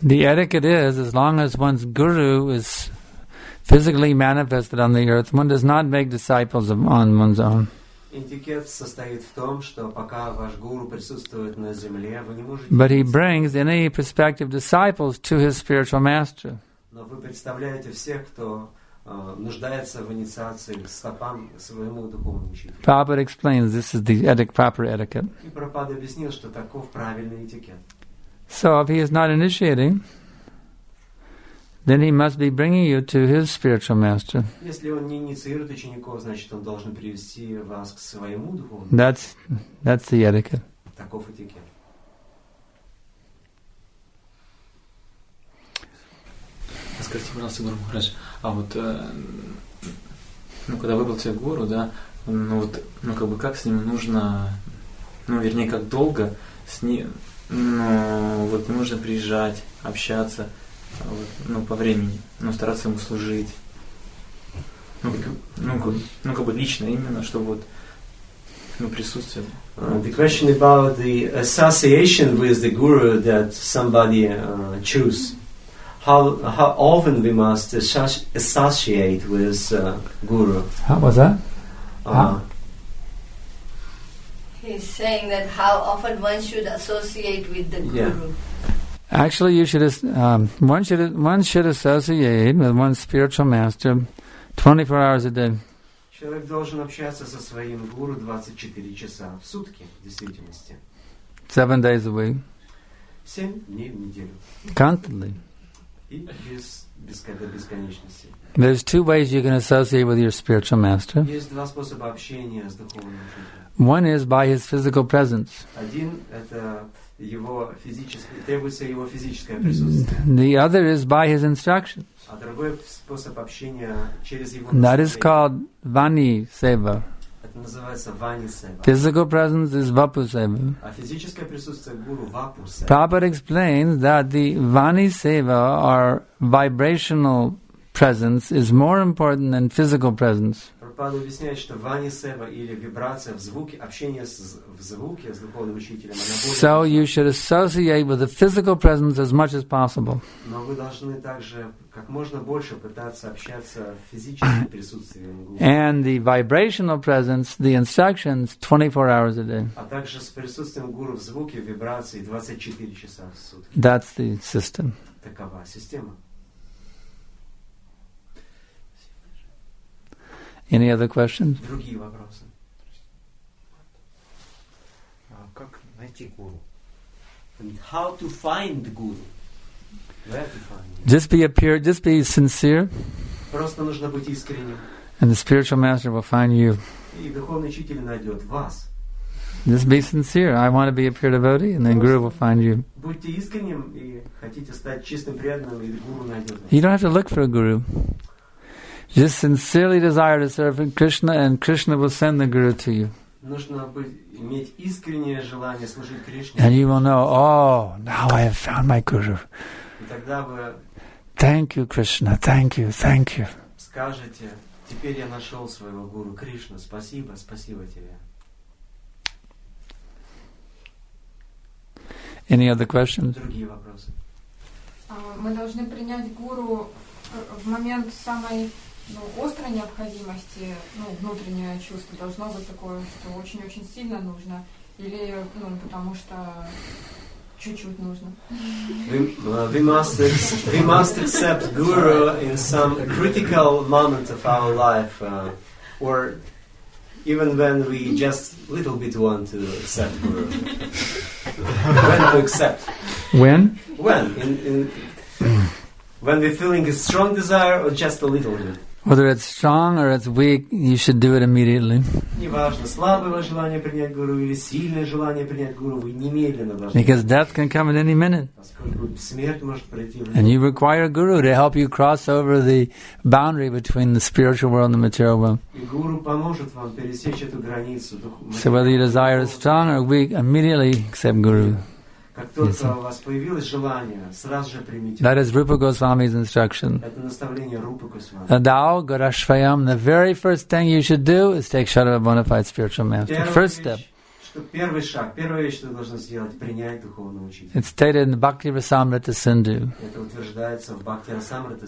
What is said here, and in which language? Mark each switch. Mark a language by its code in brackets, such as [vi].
[en] The etiquette is, as long as one's guru is physically manifested on the earth, one does not make disciples on one's own. [ru] Этикет состоит в том, что пока ваш гуру присутствует на земле, вы не можете... [en] But he brings any prospective disciples to his spiritual master. [ru] Но вы представляете всех, кто нуждается в инициации к стопам своему духовному учителю. [en] Prabhupada explains this is the proper etiquette. [ru] И Прабхупада объяснил, что таков правильный этикет. [en] So if he is not initiating, then he must be bringing you to his spiritual master. [ru] Если он не инициирует учеников, значит, он должен привести вас к своему духовному. [en] That's the etiquette. [ru] Таков этикет. Скажите, пожалуйста, Гуру Махарадж, а вот ну, когда выбрал тебя гуру, да, ну вот, ну как бы как с ним нужно, ну вернее, как долго с ним, ну вот нужно приезжать, общаться. Ну, по времени, но стараться ему служить. Ну, как бы лично именно, чтобы вот, ну, присутствие. [en] The question about the association with the guru that somebody choose. How often we must associate with guru? How was that? He's saying that how often one should associate with the guru. Yeah. Actually, you should one should associate with one's spiritual master 24 hours a day. [ru] Человек должен общаться со своим гуру 24 часа в сутки, в действительности. [en] 7 days a week. [ru] 7 дней в неделю. [en] Constantly. [ru] И без бесконечности. [en] There's two ways you can associate with your spiritual master. [ru] Есть два способа общения с духовным учителем. [en] One is by his physical presence. [ru] Один это его физическое, требуется его физическое присутствие. [en] The other is by his instructions. [ru] А другой способ общения через его наставление. [en] That is called vani seva. [ru] Это называется ванисева. [en] Physical presence is vapuseva. [ru] А физическое присутствие гуру вапусева. [en] Prabhupada explains that the ванисева or vibrational presence is more important than physical presence. [ru] Прабхупада объясняет, что ванисева или вибрация в звуке, общение в звуке с духовным учителем, она более. [en] So you should associate with the physical presence as much as possible. [ru] Но вы должны также как можно больше пытаться общаться с физическим присутствием гуру. [en] And the vibrational presence, the instructions 24 hours a day. [ru] А также с присутствием гуру в звуке, в вибрации 24 часа в сутки. [en] That's the system. [ru] Такова система. [en] Any other questions? [ru] Другие вопросы. Как найти гуру? [en] How to find guru? Just be a pure, just be sincere. [ru] Просто нужно быть искренним. [en] And the spiritual master will find you. [ru] И духовный учитель найдет вас. [en] Just be sincere. I want to be a pure devotee, and then guru will find you. [ru] Будьте искренним и хотите стать чистым преданным, и гуру найдет вас. [en] You don't have to look for a guru. Just sincerely desire to serve Krishna, and Krishna will send the guru to you. [ru] Нужно быть, иметь искреннее желание служить Кришне. [en] And you will know, oh, now I have found my guru. [ru] Тогда вы. [en] Thank you, Krishna. Thank you. Thank you. [ru] Скажете, теперь я нашел своего гуру, Кришна. Спасибо, спасибо тебе. [en] Any other questions? [ru] Другие вопросы. Мы должны принять гуру в момент самой. Ну, острой необходимости, ну, внутреннее чувство должно быть такое, что очень-очень сильно нужно, или, ну, потому что чуть-чуть нужно. [en] We must accept guru in some critical moment of our life, or even when we just little bit want to accept guru. When to accept? When? When we're feeling a strong desire or just a little bit? Whether it's strong or it's weak, you should do it immediately. [ru] Неважно, слабое желание принять гуру или сильное желание принять гуру, вы немедленно должны. [en] Because death can come at any minute. [ru] Поскольку смерть может прийти. [en] And you require a guru to help you cross over the boundary between the spiritual world and the material world. [ru] И гуру поможет вам пересечь эту границу. [en] So whether your desire is strong or weak, immediately accept guru. [ru] Как только у вас появилось желание, сразу же примите. [en] That is Rupa Goswami's instruction. [ru] Это наставление Рупы Госвами. [en] Adao Garashvayam, the very first thing you should do is take shelter of a bona fide spiritual master. [ru] Первый [en] first step. [ru] Что первый шаг, первая вещь, что ты должен сделать, принять духовного учителя. [en] It's stated in the Bhakti Rasamrita Sindhu. [ru] Это утверждается в Бхакти Расамрита